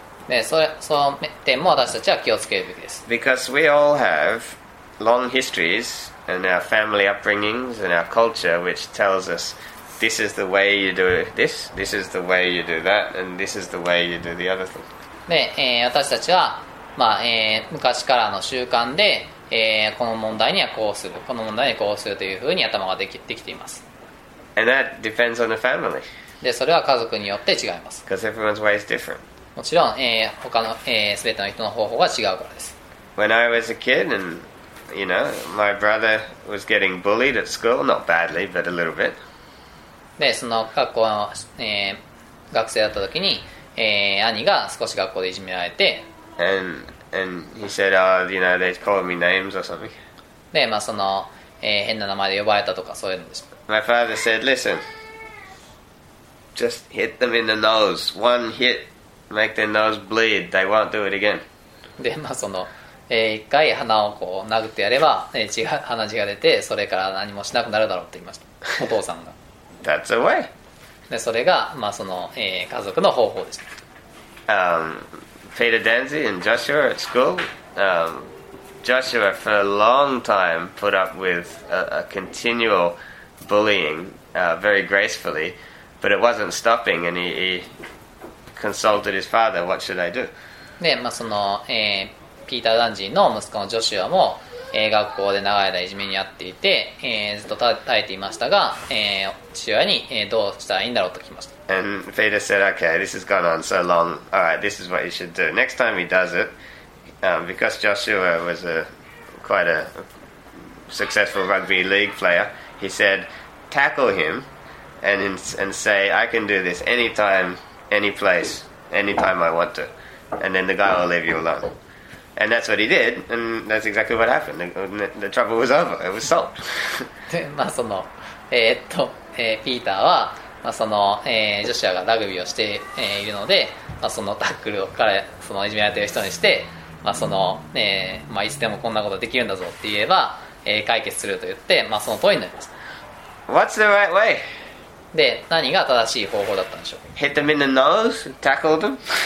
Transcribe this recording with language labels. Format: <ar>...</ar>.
<ja>で、その点も私たちは気をつけるべきです。</ja> <en>Because we all have long histories and our family upbringings and our culture which tells us this is the way you do this, this is the way you do that, and this is the way you do the other thing.</en> <ja>で、私たちは、まあ昔からの習慣で、この問題にはこうする、この問題にはこうするというふうに頭ができています。</ja> <en>And that depends on the family.</en> <ja>で、それは家族によって違います。</ja> <en>Because everyone's way is different.</en> <ja>もちろん、他の、全ての人の方法が違うからです。</ja> <en>When I was a kid and, you know, my brother was getting bullied at school, not badly, but a little bit.</en> <ja>で、その学校の、学生だった時に、兄が少し学校でいじめられて、</ja> <en>and he said, oh, you know, they called me names or something.</en> <ja>で、まあその、変な名前で呼ばれたとかそういうのでした。</ja> <en>My father said, listen, just hit them in the nose, one hit. Make their nose bleed. They won't do it again.</en> <ja>で、まあその、一回鼻をこう殴ってやれば、鼻血が出て、それから何もしなくなるだろうって言いました。お父さんが。</ja> <en>That's a way.</en> <ja>で、それが、まあその、家族の方法でした。</ja> <en>Peter Danzy and Joshua at school. Joshua for a long time put up with a continual bullying, very gracefully, but it wasn't stopping, and he consulted his father, what should I do?</en> <ja>で、まあその、ピーター・ダンジーの息子のジョシュアも、学校で長い間いじめにあっていて、ずっと耐えていましたが、父親に、どうしたらいいんだろうと聞きました。</ja> <en>And Peter said, okay, this has gone on so long. All right, this is what you should do. Next time he does it, because Joshua was quite a successful rugby league player, he said, tackle him and say, I can do this anytime. Any place, anytime I want to, and then the guy will leave you alone. And that's what he did, and that's exactly what happened. The trouble was over. It was solved.</en> <ja>で、まあその、ピーターは、まあその、ジョシュアがラグビーをして、いるので、まあそのタックルを彼、そのいじめられている人にして、まあその、まあいつでもこんなことできるんだぞって言えば、解決すると言って、まあその通りになりました。</ja> <en>What's the right way?</en> <ja>で、何が正しい方法だったんでしょう。</ja> <en>Hit them in the nose, tackle them.</en>